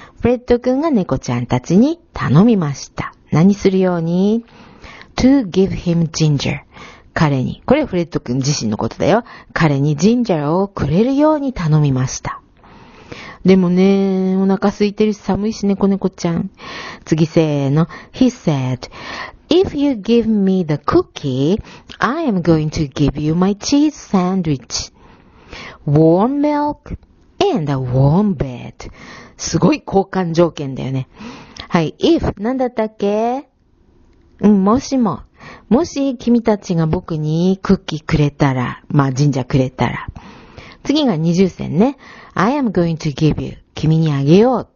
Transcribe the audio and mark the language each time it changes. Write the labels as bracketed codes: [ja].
[ja] フレッド君が猫ちゃんたちに頼みました。何するように ? [en] to give him ginger. [ja] 彼に、これフレッド君自身のことだよ。彼にジンジャーをくれるように頼みました。でもね、お腹空いてるし寒いし猫猫ちゃん。次せーの。 [en] He said, If you give me the cookie, I am going to give you my cheese sandwich. Warm milk and a warm bed. [ja] すごい交換条件だよね。はい。if, 何だったっけ？うん、もしも。もし、君たちが僕にクッキーくれたら、まあ、神社くれたら。次が二重線ね。 [en] I am going to give you. [ja] 君にあげよう。